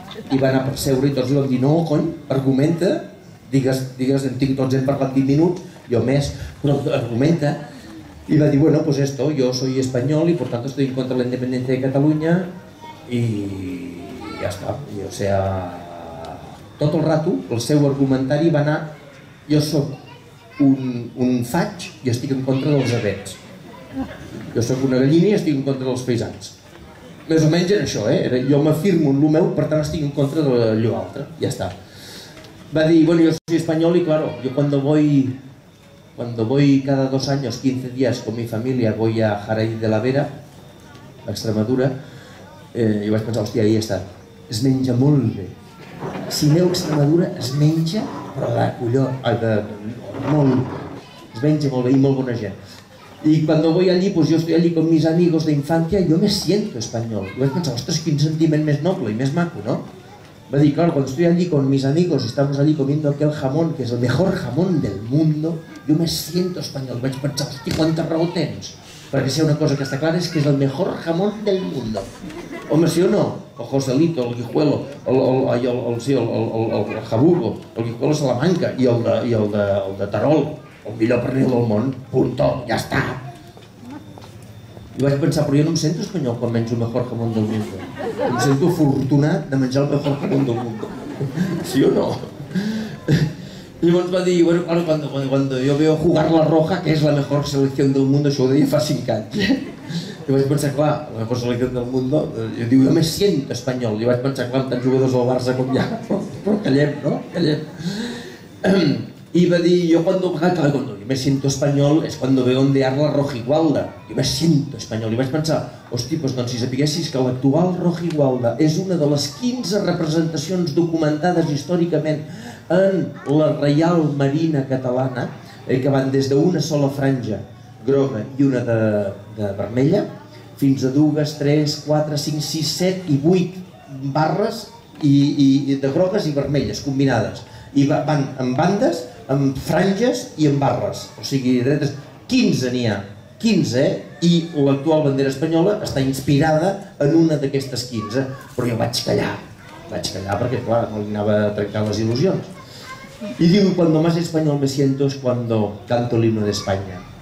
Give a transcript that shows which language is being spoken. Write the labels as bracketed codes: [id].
[ca] I va anar per seure i tots li van dir, no, cony, argumenta, digues, tots hem parlat 20 minuts, jo més, però argumenta. I va dir, [es] bueno, pues esto, yo soy español y por tanto estoy en contra de la independencia de Catalunya [ca] i ja està. I, o sea, tot el rato el seu argumentari va anar, jo soc un faig i estic en contra dels avets. Jo soc una gallina i estic en contra dels paisans. Més o menys era això, eh? Jo m'afirmo en lo meu, per tant estic en contra de allò altre. Ja està. Va dir, bueno, jo [es] soy español [ca] i claro, [es] yo cuando voy Cuando voy cada dos años, 15 días, con mi familia, voy a Jaraí de la Vera, a Extremadura, [ca] jo vaig pensar, hòstia, ahí està, es menja molt bé. Si aneu a Extremadura, es menja, però de collot, molt bé. Es menja molt bé i molt bona gent. I quan [es] voy allí, pues yo estoy allí con mis amigos de infancia, yo me siento español. [ca] Y vaig pensar, ostres, quin sentiment més noble i més maco, no? [es] Va dir, claro, cuando estoy allí con mis amigos, estamos allí comiendo aquel jamón, que es el mejor jamón del mundo, yo me siento español. [ca] I vaig pensar, hosti, quanta raó tens. Perquè si hi ha una cosa que està clara és que és [es] el mejor jamón del mundo. [ca] Home, sí o no? El Joselito, el Guijuelo, el Jabugo, el Guijuelo Salamanca i el de Terol. El millor pernil del món, punto, ja està. I vaig pensar, però jo no em sento espanyol quan menjo [es] el mejor jamón del mundo. [ca] Em sento afortunat de menjar [es] el mejor jamón del mundo. [ca] Sí o no? [es] I llavors va dir, bueno, claro, cuando yo veo jugar la Roja, que es la mejor selección del mundo, [ca] això ho deia fa 5 anys. I vaig pensar, clar, [es] la mejor selección del mundo, [ca] jo diu, [es] jo me siento [ca] espanyol. I vaig pensar, clar, amb tants jugadors del Barça com hi ha, però callem, no? Callem. I va dir, [es] jo cuando me siento español es cuando veo ondear la Rojigualda. Jo me siento español. [ca] I vaig pensar, hosti, pues, doncs si sapiguessis que l'actual Rojigualda és una de les 15 representacions documentades històricament en la Reial Marina Catalana, que van des d'una sola franja groga i una de vermella, fins a dues, tres, quatre, cinc, sis, set i vuit barres i de grogues i vermelles combinades. I van amb bandes, amb franges i amb barres. O sigui, dretes, 15 n'hi ha, 15, eh? I l'actual bandera espanyola està inspirada en una d'aquestes 15. Però jo vaig callar perquè, clar, no li anava a trencar les il·lusions. [es] Y digo, cuando más español me siento es cuando canto el himno de España.